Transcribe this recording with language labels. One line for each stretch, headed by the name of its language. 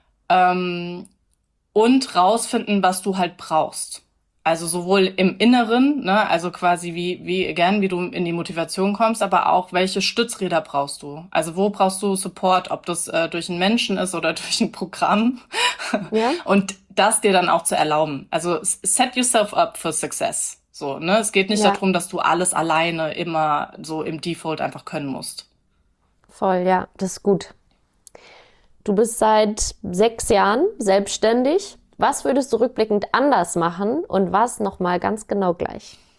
German: Und rausfinden, was du halt brauchst. Also sowohl im Inneren, ne, also quasi wie du in die Motivation kommst, aber auch welche Stützräder brauchst du? Also wo brauchst du Support, ob das durch einen Menschen ist oder durch ein Programm? Ja. Und das dir dann auch zu erlauben. Also
English: set yourself up for success.
German: So, ne, es geht nicht darum, dass du alles alleine immer so im Default einfach können musst. Voll, ja, das ist gut. Du bist seit 6 Jahren selbstständig. Was würdest du rückblickend anders machen und was nochmal ganz genau gleich?